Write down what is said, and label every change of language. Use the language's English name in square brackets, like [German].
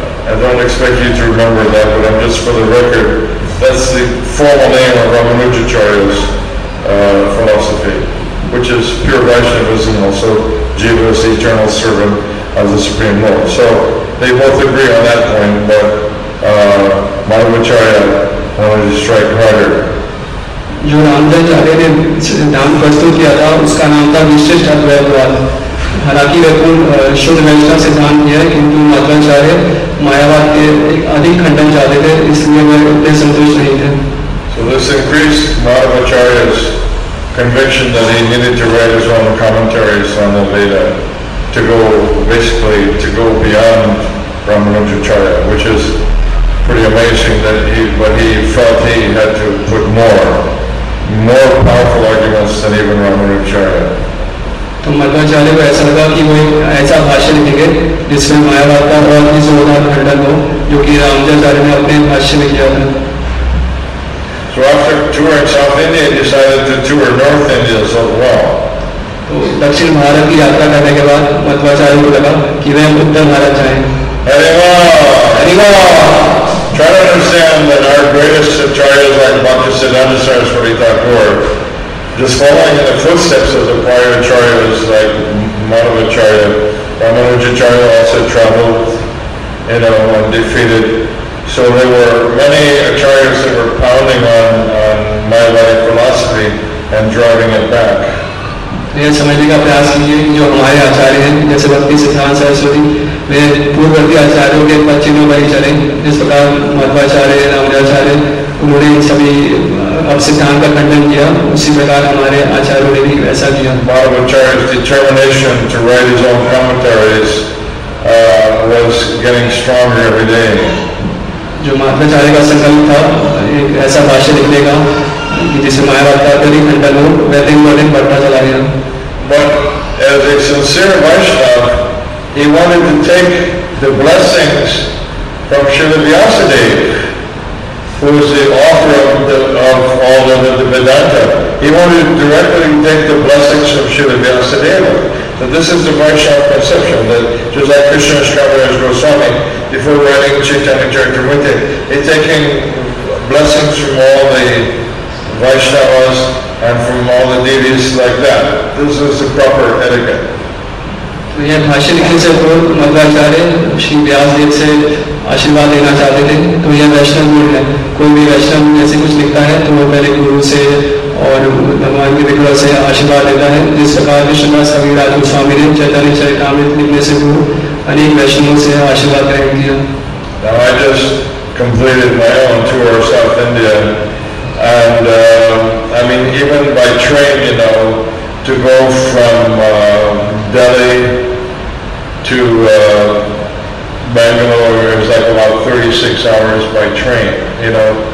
[English] I don't expect you to remember that, but I'm just for the record, that's the formal name of Ramanujacharya's philosophy, which is pure Vaishnavism, also Jiva is the eternal servant of the Supreme Lord. So they both agree on that point, but Madhvacharya wanted to strike harder. [Hindi] जो रामानुजाचार्य ने सिद्धांत प्रस्तुत किया था उसका नाम था विशिष्ट अद्वैतवाद. हालांकि वह पूर्ण शुद्ध वैष्णव सिद्धांत किया किंतु मध्वाचार्य मायावाद के अधिक खंडन चाहते थे इसलिए वह उतने संतुष्ट नहीं थे. [English] So this increased Madhvacharya's conviction that he needed to write his own commentaries on the Veda to go beyond Ramanujacharya, which is pretty amazing that he felt he had to put more powerful arguments than even Ramanujacharya. [Hindi] तो मध्वाचार्य को ऐसा लगा कि वो एक ऐसा भाष्य लिखेंगे जिसमें मायावाद का बहुत ही जोरदार खंडन हो जो कि रामानुजाचार्य ने अपने भाष्य में किया था. [English] So after touring South India, he decided to tour North India as well. [Hindi] दक्षिण भारत की यात्रा करने के बाद मध्वाचार्य को लगा कि वह उत्तर भारत जाएं। [English] Try to understand that our greatest acharyas like Bhaktisiddhanta Saraswati Thakur just following in the footsteps of the prior acharyas like Madhavacharya. Ramanujacharya also traveled, you know, and defeated. So there were many acharyas that were pounding on Mayavadi philosophy and driving it back. [Hindi] यह समझने का प्रयास कीजिए जो हमारे आचार्य हैं जैसे भक्ति सिद्धांत सरस्वती वे पूर्ववर्ती आचार्यों के पश्चिमी वही चले जिस प्रकार मध्वाचार्य रामानुजाचार्य उन्होंने सभी अब सिद्धांत का खंडन किया उसी प्रकार हमारे आचार्यों ने भी वैसा किया। [English] Madhavacharya's determination to write his own commentaries was getting stronger every day. [Hindi] जो मध्वाचार्य का संकल्प था एक ऐसा भाष्य लिखने का जिसे मायावादी खंडन हो वह दिन ब दिन बढ़ता चला गया। [English] But as a sincere Vaishnav, he wanted to take the blessings from Srila Vyasadeva, who was the author of all of the Vedanta. He wanted to directly take the blessings from Srila Vyasadeva. So this is the Vaishnav conception, that just like Krishna Shravana as Goswami, before writing Chaitanya Charitamrita, he's taking blessings from all the Vaishnavas and from all the devis like that. This is the proper etiquette. [Hindi] तो यह भाष्य लिखने से पूर्व मध्वाचार्य श्री व्यास देव से आशीर्वाद लेना चाहते थे तो यह वैष्णव गुण है। कोई भी वैष्णव जैसे कुछ लिखता है तो वह पहले गुरु से और भगवान के विग्रह से आशीर्वाद लेता है। जिस प्रकार विश्वनाथ कविराज गोस्वामी ने चैतन्य चरितामृत लिखने से पूर्व अनेक वैष्णवों से आशीर्वाद ग्रहण किया। [English] Now I just completed my own tour of South India and I mean even by train, you know, to go from Delhi to Bangalore is like about 36 hours by train, you know.